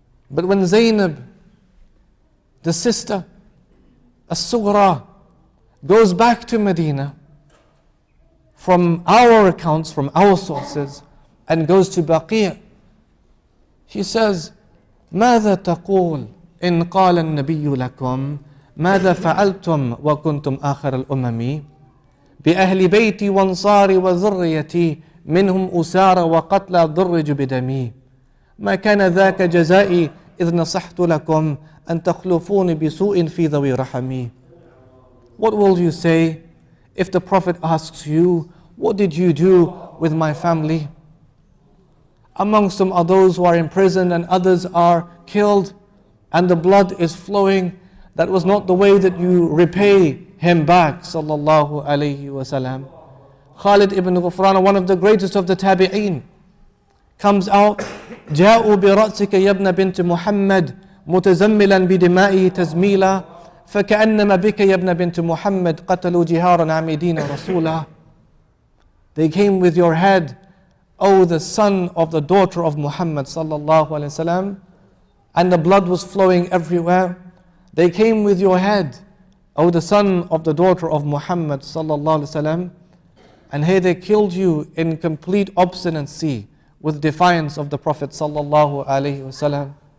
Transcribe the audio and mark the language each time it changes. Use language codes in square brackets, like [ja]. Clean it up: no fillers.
[en] But when Zainab, the sister, As-Sughra, goes back to Medina from our accounts, from our sources, and goes to Baqi'. He says, [ar] ماذا تقول إن قال النبي لكم ماذا فعلتم وكنتم آخر الأمم بأهل بيتي وانصاري وذريتي منهم أسار وقتل ضرج بدمي ما كان ذاك جزائي إذ نصحت لكم أن تخلفوني بسوء في ذوي رحمي. [en] What will you say if the Prophet asks you, what did you do with my family? Amongst them are those who are imprisoned and others are killed and the blood is flowing. That was not the way that you repay him back, sallallahu alayhi wa sallam. Khalid ibn Ghufran, one of the greatest of the tabi'een, comes out, [ar] جَاءُوا بِرَأْسِكَ يَبْنَ بِنْتِ مُحَمَّدٍ مُتَزَمِّلًا بِدِمَائِهِ تَزْمِيلًا فَكَأَنَّمَا بِكَ يَبْنَ بِنْتِ مُحَمَّدٍ قَتَلُوا جِهَارًا عَمِدِينَ رَسُولًا. [en] They came with your head, O the son of the daughter of Muhammad sallallahu alayhi wa sallam, and the blood was flowing everywhere. They came with your head, O the son of the daughter of Muhammad sallallahu alayhi wa sallam, and hey, they killed you in complete obstinacy with defiance of the Prophet sallallahu alayhi wa sallam.